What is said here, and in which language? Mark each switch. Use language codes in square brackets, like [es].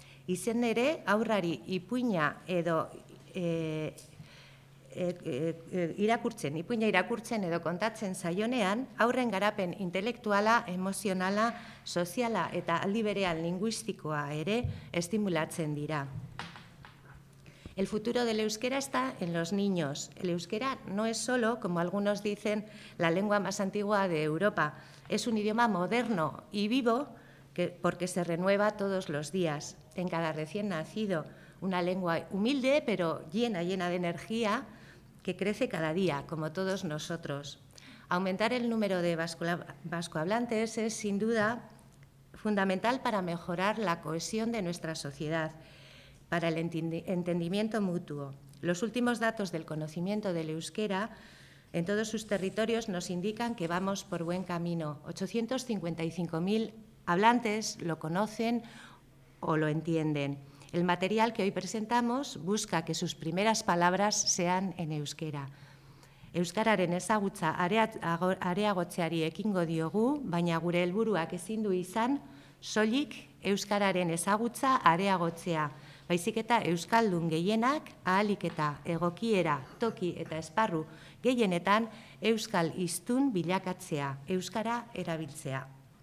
[eu] Izen ere, aurrari ipuina edo irakurtzen edo kontatzen zaionean, aurren garapen intelektuala, emozionala, soziala eta aldi berean linguistikoa ere estimulatzen dira. [es] El futuro del euskera está en los niños. El euskera no es solo, como algunos dicen, la lengua más antigua de Europa. Es un idioma moderno y vivo porque se renueva todos los días. En cada recién nacido, una lengua humilde, pero llena de energía, que crece cada día, como todos nosotros. Aumentar el número de vascohablantes es, sin duda, fundamental para mejorar la cohesión de nuestra sociedad, para el entendimiento mutuo. Los últimos datos del conocimiento del euskera en todos sus territorios nos indican que vamos por buen camino. 855.000 hablantes lo conocen o lo entienden. El material que hoy presentamos busca que sus primeras palabras sean en euskera. [eu] Euskararen ezagutza areagotzeari ekingo diogu, baina gure helburuak ezin du izan soilik euskararen ezagutza areagotzea, baizik eta euskaldun gehienak ahalik eta egokiera, toki eta esparru gehienetan euskal hiztun bilakatzea, euskara erabiltzea.